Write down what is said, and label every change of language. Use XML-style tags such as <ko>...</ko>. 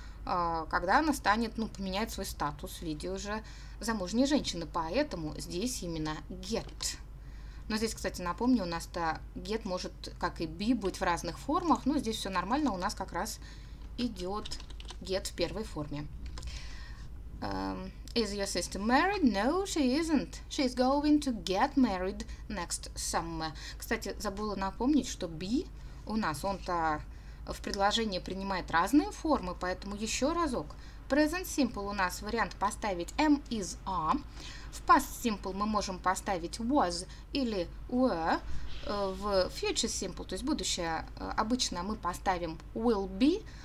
<ru>когда она станет, ну, поменяет свой статус в виде уже замужней женщины. Поэтому здесь именно get. Но здесь, кстати, напомню, у нас-то get может, как и be, быть в разных формах. Но здесь все нормально, у нас как раз идет get в первой форме.</ru> <en>Is your sister married? No, she isn't. She's going to get married next summer.</en> <ru>Кстати, забыла напомнить, что be у нас, он-то в предложении принимает разные формы, поэтому еще разок. Present simple у нас вариант поставить am, is, are. В past simple мы можем поставить was или were. В future simple, то есть будущее, обычно мы поставим will be.</ru>